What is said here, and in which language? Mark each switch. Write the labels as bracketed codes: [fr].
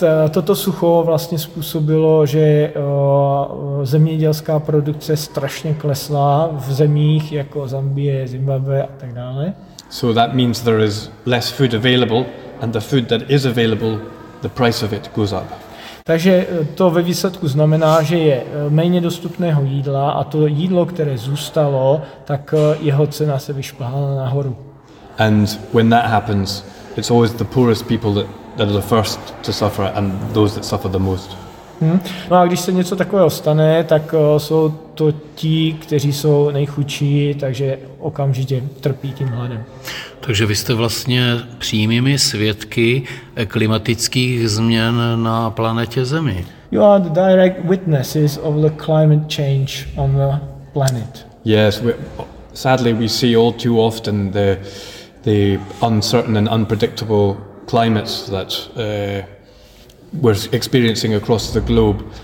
[cs] toto sucho vlastně způsobilo, že zemědělská produkce strašně klesla v zemích jako Zambie, Zimbabwe a tak dále. [en] So that means there is less food available and the food that is available, the price of it goes up. [cs] Takže to ve výsledku znamená, že je méně dostupného jídla a to jídlo, které zůstalo, tak jeho cena se vyšplhala nahoru. [en] And when that happens, it's always the poorest people that are the first to suffer and those that suffer the most. [cs] No a když se něco takového stane, tak jsou to ti, kteří jsou nejchudší, takže okamžitě trpí tím hladem. Takže vy jste vlastně přímými svědky klimatických změn na planetě Zemi. [en] You are the direct witnesses of the climate change on the planet. Yes, sadly we see all too often the uncertain and unpredictable climates that we're experiencing across the globe.